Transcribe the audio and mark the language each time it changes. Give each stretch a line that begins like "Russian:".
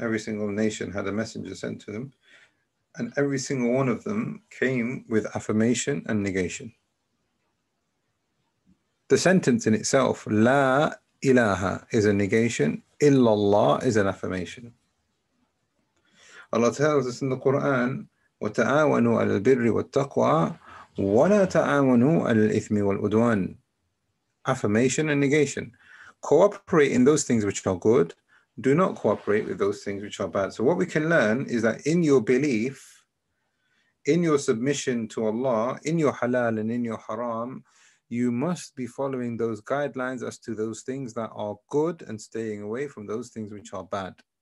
English: Every single nation had a messenger sent to them, and every single one of them came with affirmation and negation. The sentence in itself,
Arabic: لَا إِلَهَ,
English: is a negation.
Arabic: إِلَّا اللَّهُ
English: is an affirmation. Allah tells us in the Quran,
Arabic: وتعاونوا على البر والتقوى ولا تعاونوا على الإثم والعدوان.
English: Affirmation and negation. Cooperate in those things which are good. Do not cooperate with those things which are bad. So what we can learn is that in your belief, in your submission to Allah, in your halal and in your haram, you must be following those guidelines as to those things that are good and staying away from those things which are bad.